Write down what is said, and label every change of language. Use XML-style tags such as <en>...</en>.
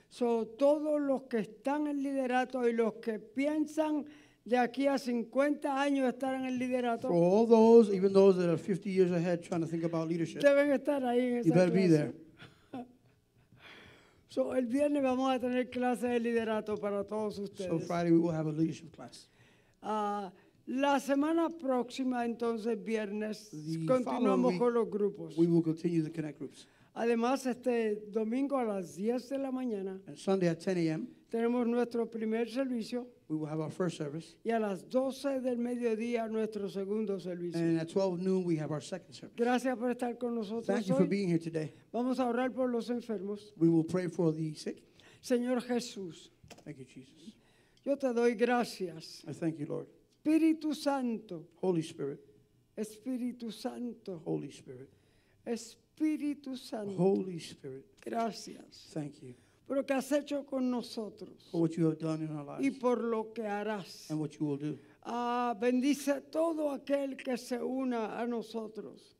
<es>So todos los que están en liderato y los que piensan de aquí a 50 años estar en el liderato.</es> <en>For all those, even those that are 50 years ahead trying to think about leadership.</en> <es>Deben estar ahí.</es> <en>You better be there.</en> <es>So el viernes vamos a tener clases de liderato para todos ustedes.</es> <en>So Friday we will have a leadership class.</en> <es>La semana próxima entonces viernes continuamos con los grupos.</es> <en>We will continue the connect groups.</en> <es>Además este domingo a las 10 de la mañana.</es> <en>And Sunday at 10 a.m.</en> <es>tenemos nuestro primer servicio.</es> <en>We will have our first service.</en> <es>Y a las 12 del mediodía nuestro segundo servicio.</es> <en>And at 12 noon we have our second service.</en> <es>Gracias por estar con nosotros.</es> <en>Thank</en> <es>hoy.</es> <en>You for being here today.</en> <es>Vamos a orar por los enfermos.</es> <en>We will pray for the sick.</en> <es>Señor Jesús.</es> <en>Thank you, Jesus.</en> <es>Yo te doy gracias.</es> <en>I thank you, Lord.</en> <es>Espíritu Santo.</es> <en>Holy Spirit.</en> <es>Espíritu Santo.</es> <en>Holy Spirit.</en> <es>Espíritu Santo.</es> <en>Holy Spirit.</en> <es>Gracias.</es> <en>Thank you.</en> <es>Por lo que has hecho con nosotros.</es> <en>For what you have done in our lives.</en> <es>Y por lo que harás.</es> <en>And what you will do.</en> <es>Bendice todo aquel que se una a nosotros.</es>